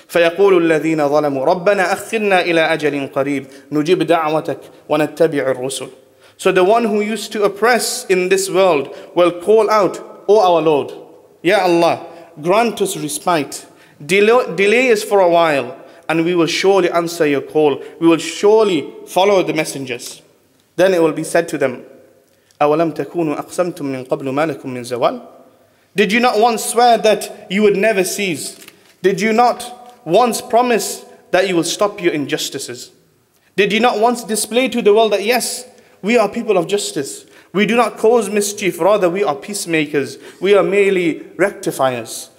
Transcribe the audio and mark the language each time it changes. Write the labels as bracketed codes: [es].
[ar] فَيَقُولُ الَّذِينَ ظَلَمُوا رَبَّنَا أَخِّرْنَا إِلَىٰ أَجَلٍ قَرِيبٍ نُجِبْ دَعْوَتَكْ وَنَتَّبِعُ الرُّسُلُ. [en] So the one who used to oppress in this world will call out, O our Lord, Ya Allah, grant us respite. Delay us for a while, and we will surely answer your call. We will surely follow the messengers. Then it will be said to them, [ar] أَوَلَمْ تَكُونُوا أَقْسَمْتُمْ مِنْ قَبْلُ مَا لَكُمْ مِنْ زَوَالٍ. [en] Did you not once swear that you would never cease? Did you not once promise that you will stop your injustices? Did you not once display to the world that yes, we are people of justice. We do not cause mischief, rather we are peacemakers. We are merely rectifiers.